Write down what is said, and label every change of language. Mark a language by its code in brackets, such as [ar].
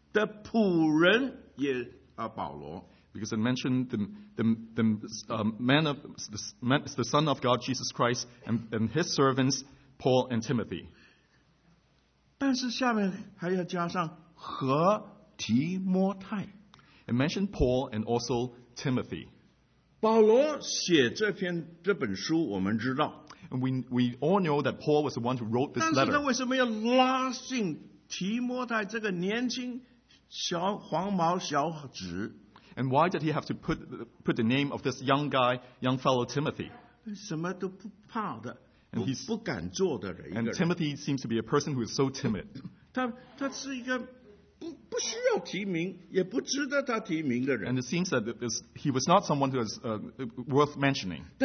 [zh] 因为这里告诉我们神的儿子人的儿子基督耶稣的仆人也保罗。 [en] Because it mentioned the son of God Jesus Christ and his servants Paul and Timothy. [zh] 但是下面还要加上和提摩太。 [en] It mentioned Paul and also Timothy. [zh] 保罗写这篇这本书, [en] and we all know that Paul was the one who wrote this letter. [zh] 但是他为什么要拉进提摩太这个年轻小黄毛小子? [en] And why did he have to put the name of this young guy, young fellow Timothy? [zh] 什么都不怕的, [en] and, he's, [zh] 不敢做的人, [en] and Timothy seems to be a person who is so timid. [zh] 他是一个 不需要提名，也不值得他提名的人。 [en] And it seems that he was not someone who is worth mentioning.